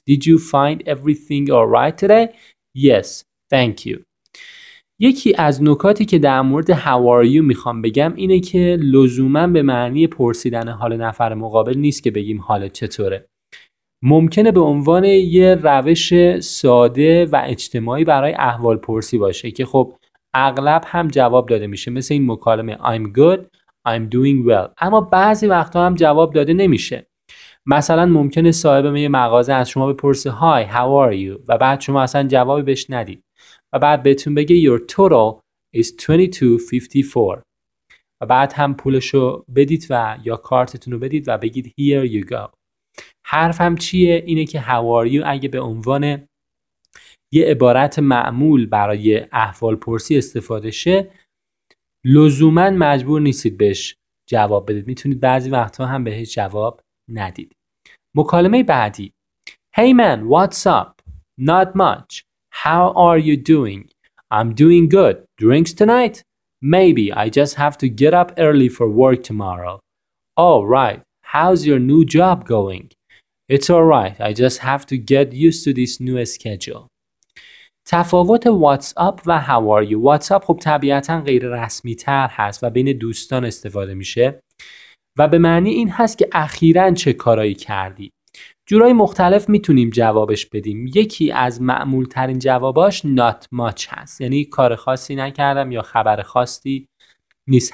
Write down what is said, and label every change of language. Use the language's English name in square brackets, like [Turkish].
[English] Did you find everything alright today? Yes, thank you. [Persian] یکی از نکاتی که در مورد How are you میخوام بگم اینه که لزوماً به معنی پرسیدن حال نفر مقابل نیست که بگیم حال چطوره. ممکنه به عنوان یه روش ساده و اجتماعی برای احوال پرسی باشه، که خب اغلب هم جواب داده میشه، مثل این مکالمه [English] I'm good, I'm doing well. [Persian] اما بعضی وقتا هم جواب داده نمیشه. مثلا ممکنه صاحب یه مغازه از شما بپرسه [English] Hi, how are you؟ [Persian] و بعد شما اصلا جوابی بهش ندید و بعد بهتون بگه [English] Your total is 2254 [Persian] و بعد هم پولشو بدید و یا کارتتونو بدید و بگید [English] Here you go. [Persian] حرفم چیه؟ اینه که [English] How are you [Persian] اگه به عنوان یه عبارت معمول برای احوال پرسی استفاده شه، لزوماً مجبور نیستید بهش جواب بدید، میتونید بعضی وقتا هم بهش جواب ندید. مکالمه بعدی: [English] Hey man, what's up? Not much. How are you doing? I'm doing good. Drinks tonight? Maybe. I just have to get up early for work tomorrow. Oh, right. How's your new job going? It's all right. I just have to get used to this new schedule. [Persian] تفاوت واتس اپ و هاو آر یو. واتس اپ خب طبیعتاً غیر رسمی تر هست و بین دوستان استفاده میشه و به معنی این هست که اخیراً چه کارایی کردی. جورای مختلف میتونیم جوابش بدیم. یکی از معمول ترین جواباش [English] not much [Persian] هست، یعنی کار خاصی نکردم یا خبر خاصی نیست.